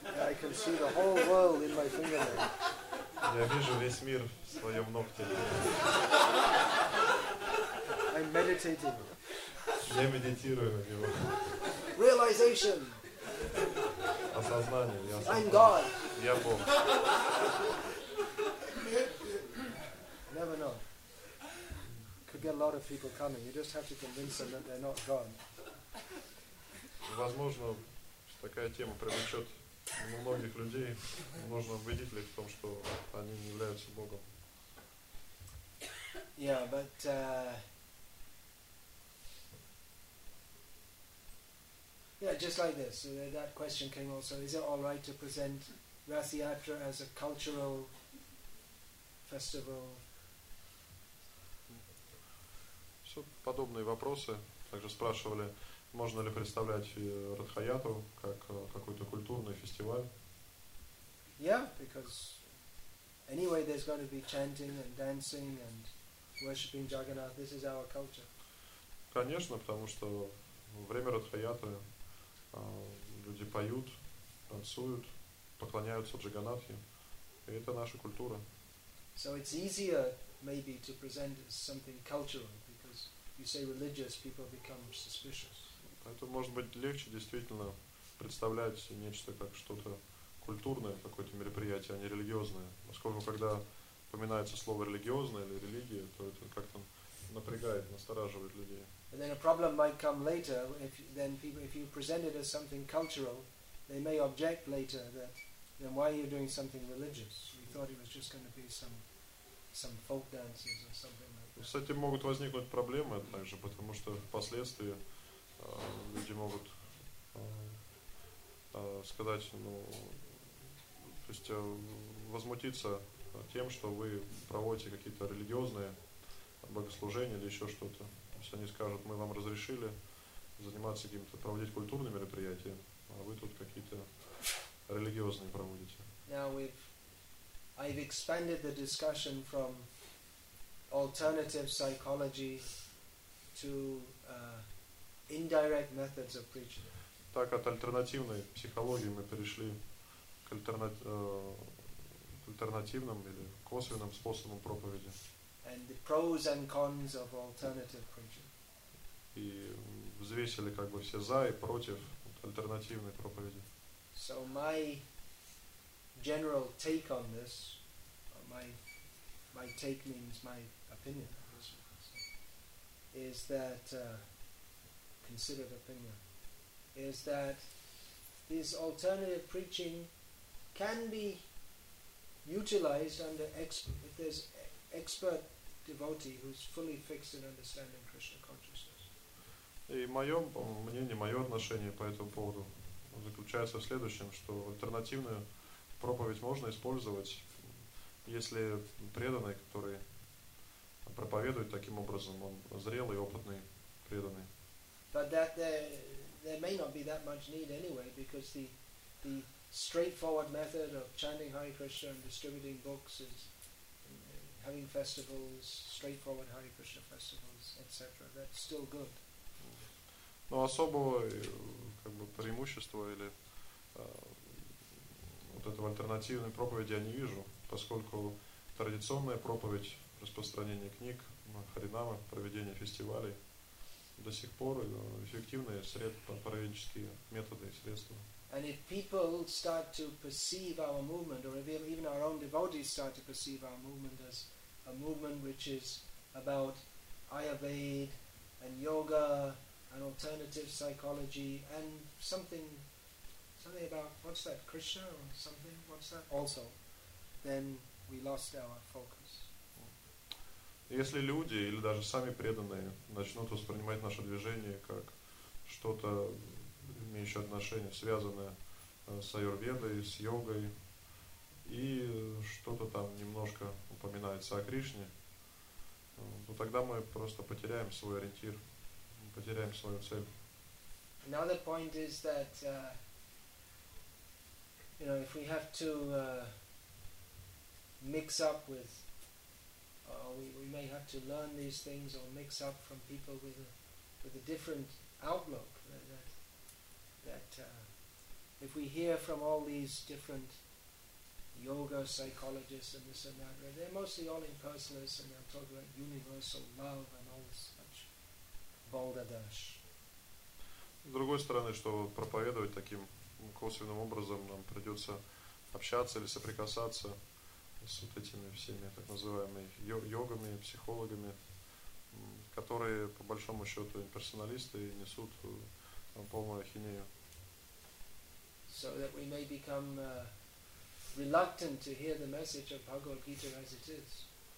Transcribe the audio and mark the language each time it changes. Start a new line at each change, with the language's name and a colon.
English: I can see the whole world in my fingernail.
Russian: Я вижу весь мир в своем ногте.
English: I'm meditating.
Russian: Я медитирую на него.
English: Realization.
Russian: Осознание. Я
English: I'm God.
Russian: Я Бог.
English: Never know. Could get a lot of people coming. You just have to convince them that they're not God.
Russian: Возможно, такая тема привлечет многих людей. Нужно убедить их в том, что они не являются Богом.
English: Yeah, but... Yeah, just like this. So that question came also. Is it all right to present Rathiatra as a cultural festival?
Russian: So, подобные вопросы также спрашивали, можно ли представлять Ратхаятру как какой-то культурный фестиваль?
English: Yeah, because anyway, there's going to be chanting and dancing and worshiping Jagannath. This is our culture.
Russian: Конечно, потому что время Ратхаятры люди поют, танцуют, поклоняются Джаганнатхе. И это наша культура.
English: So it's easier maybe to present something cultural, because you say religious, people become suspicious.
Russian: Поэтому может быть легче действительно представлять нечто как что-то культурное, какое-то мероприятие, а не религиозное. Поскольку когда упоминается слово религиозное или религия, то это как-то напрягает, настораживает людей.
English: And then a problem might come later if you present it as something cultural, they may object later that then why are you doing something religious? We thought it was just going to be some folk dances or something like that.
Russian: С этим могут возникнуть проблемы также, потому что впоследствии люди могут сказать, ну, то есть возмутиться тем, что вы проводите какие-то религиозные богослужения или еще что-то. То есть они скажут, мы вам разрешили заниматься каким-то, проводить культурные мероприятия, а вы тут какие-то религиозные проводите.
English: Now I've expanded the discussion from alternative psychology to indirect methods of preaching.
Russian: Так, от альтернативной психологии мы перешли к альтернативным или косвенным способам проповеди.
English: And the pros and cons of alternative preaching.
Russian: И взвесили как бы все за и против альтернативной проповеди.
English: So my general take on this, my take means my opinion, is that considered opinion, is that this alternative preaching can be utilized under expert devotee who's fully fixed in understanding Krishna consciousness.
Russian: И моё мнение, моё отношение по этому поводу заключается в следующем, что альтернативную проповедь можно использовать, если преданный, который проповедует таким образом, он зрелый, опытный, преданный.
English: But that there may not be that much need anyway, because the straightforward method of chanting Hare Krishna and distributing books is having festivals, straightforward Hare Krishna festivals, etc. That's still good.
Russian: Но особого как бы преимущества или вот этого альтернативной проповеди я не вижу, поскольку традиционная проповедь, распространение книг, харинама, проведение фестивалей до сих пор эффективные средства, праведнические методы и средства.
English: And if people start to perceive our movement, or if even our own devotees start to perceive our movement as a movement which is about Ayurveda and yoga and alternative psychology and something about, what's that, Krishna or something, what's that also, then we lost our focus.
Russian: Если люди или даже сами преданные начнут воспринимать наше движение как что-то имеющее отношение, связанное с аюрведой, с йогой, и что-то там немножко упоминается о Кришне, то тогда мы просто потеряем свой ориентир, потеряем свою цель.
English: Another point is that you know, if we have to mix up with we may have to learn these things or mix up from people with a different outlook. That if we hear from all these different yoga psychologists and this and that, they're mostly all impersonalists and they'll talk about universal love and all this such balderdash.
Russian: С другой стороны, что проповедовать таким косвенным образом, нам придется общаться или соприкасаться с вот этими всеми так называемыми йогами, психологами, которые по большому счету имперсоналисты и несут полную ахинею.
English: So that we may become reluctant to hear the message of Bhagavad Gita as it is.